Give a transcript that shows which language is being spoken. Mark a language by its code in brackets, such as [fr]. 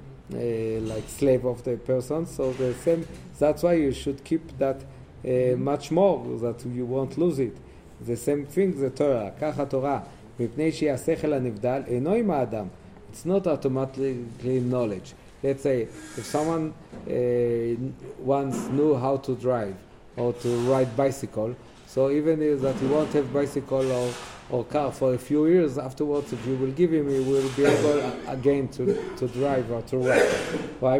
[en] like slave of the person. So the same, that's why you should keep that much more, that you won't lose it. The same thing, the Torah. [he] Kach ha-Torah. מפני שהשכל הנבדל אינו עם האדם. [en] It's not automatically knowledge. Let's say, if someone once knew how to drive or to ride bicycle, so even if that he won't have bicycle or car for a few years afterwards, if you will give him, he will be able again to drive or to ride. Why?